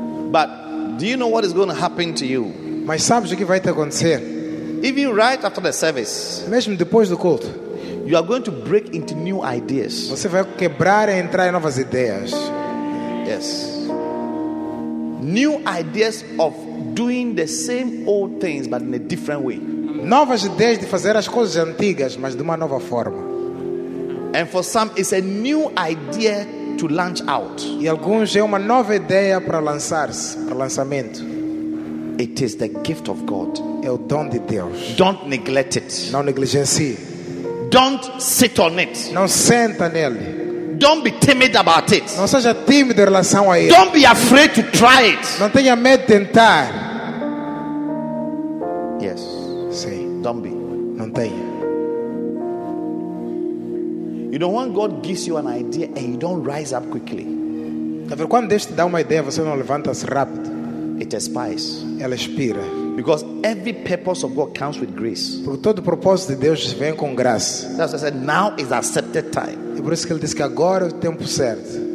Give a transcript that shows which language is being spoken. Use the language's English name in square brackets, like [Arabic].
[English] But do you know what is going to happen to you? [Portuguese] Mas sabes o que vai te acontecer? [English] Even right after the service. [Portuguese] Mesmo depois do culto. [English] You are going to break into new ideas. [Portuguese] Você vai quebrar e entrar em novas ideias. [English] Yes. New ideas of doing the same old things but in a different way. [Portuguese] Novas ideias de fazer as coisas antigas, mas de uma nova forma. [English] And for some, it's a new idea to launch out. [Portuguese] E alguns é uma nova ideia para lançar-se, para lançamento. [English] It is the gift of God. [Portuguese] É o dom de Deus. [English] Don't neglect it. [Portuguese] Não negligencie. [English] Don't sit on it. [Portuguese] Não senta nele. [English] Don't be timid about it. [Portuguese] Não seja tímido em relação a ele. [English] Don't be afraid to try it. [Portuguese] Não tenha medo de tentar. [English] Yes. Don't be. [Portuguese] Não tenha. [English] You know when God gives you an idea and you don't rise up quickly. [Portuguese] Talvez quando Deus te dá uma ideia você não levanta-se rápido. [English] It expires. [Portuguese] Ela expira. [English] Because every purpose of God comes with grace. [Portuguese] Porque todo propósito de Deus vem com graça. [English] That's why I said now is accepted time. [Portuguese] E por isso que ele diz que agora é o tempo certo.